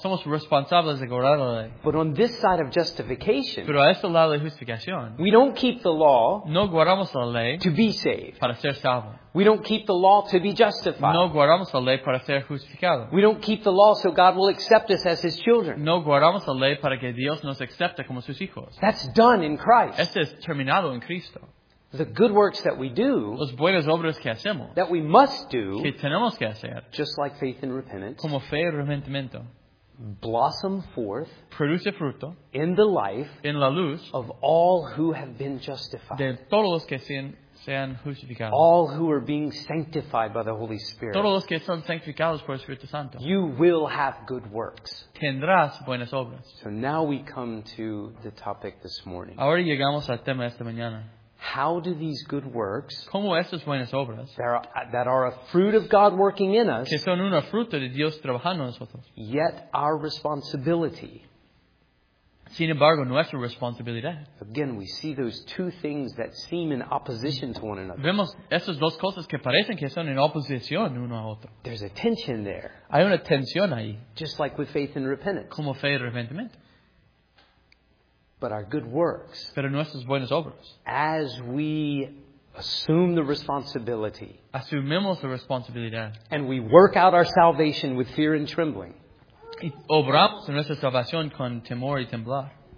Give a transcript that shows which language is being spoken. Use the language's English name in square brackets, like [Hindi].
[Spanish] Somos responsables de guardar la ley. [English] But on this side of justification, [Spanish] pero a este lado de justificación, [English] we don't keep the law [Spanish] no guardamos la ley [English] to be saved. [Spanish] Para ser salvo. [English] We don't keep the law to be justified. [Spanish] No guardamos la ley para ser justificado. [English] We don't keep the law so God will accept us as His children. [Spanish] No guardamos la ley para que Dios nos acepte como sus hijos. [English] That's done in Christ. [Spanish] Esto es terminado en Cristo. [English] The good works that we do, [Spanish] los buenas obras que hacemos, [English] that we must do, [Spanish] que tenemos que hacer, [English] just like faith and repentance, [Spanish] como fe y arrepentimiento, [English] blossom forth, [Spanish] produce fruto, [English] in the life, [Spanish] en la luz, [English] of all who have been justified, [Spanish] de todos los que sean justificados, [English] all who are being sanctified by the Holy Spirit, [Spanish] todos los que son sanctificados por el Espíritu Santo, [English] you will have good works, [Spanish] tendrás buenas obras. [English] So now we come to the topic this morning. [Spanish] Ahora llegamos al tema esta mañana. [English] How do these good works, [Spanish] como estas buenas obras, [English] that are a fruit of God working in us, [Spanish] que son una fruta de Dios trabajando en nosotros, [English] yet our responsibility, [Spanish] sin embargo, nuestra responsabilidad. [English] Again, we see those two things that seem in opposition to one another. [Spanish] Vemos esas dos cosas que parecen que son en oposición uno a otro. [English] There's a tension there. [Spanish] Hay una tensión ahí. [English] Just like with faith and repentance. [Spanish] Como fe y arrepentimiento. [English] But our good works, [Spanish] pero nuestras buenas obras, [English] as we assume the responsibility, [Spanish] asumimos la responsabilidad, [English] and we work out our salvation with fear and trembling, [Spanish] y obramos nuestra salvación con temor y temblar,